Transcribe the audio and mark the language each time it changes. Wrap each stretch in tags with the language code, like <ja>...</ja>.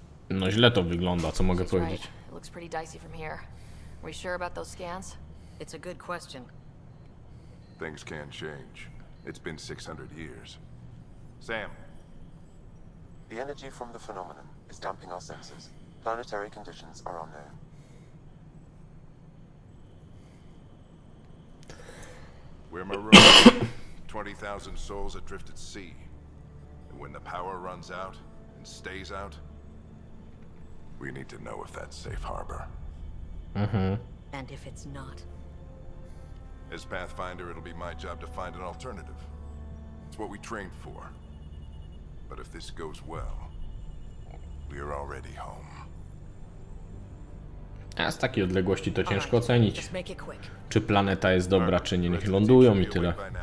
<pl>No źle to wygląda, co mogę powiedzieć.</pl> <en>It looks pretty dicey from here. Are we sure about those scans? It's a good question. Things can change. It's been 600 years. Sam. The energy from the phenomenon is damping our senses. Planetary conditions are unknown. We're marooned. 20,000 souls adrift at sea. And when the power runs out and stays out, we need to know if that's safe harbor. Mm-hmm. And if it's not. As Pathfinder, it'll be my job to find an alternative. It's what we trained for. But if this goes well, we're already home.</en> <pl>A z takiej odległości to ciężko ocenić. Czy planeta jest dobra, czy nie, niech lądują i tyle.</pl>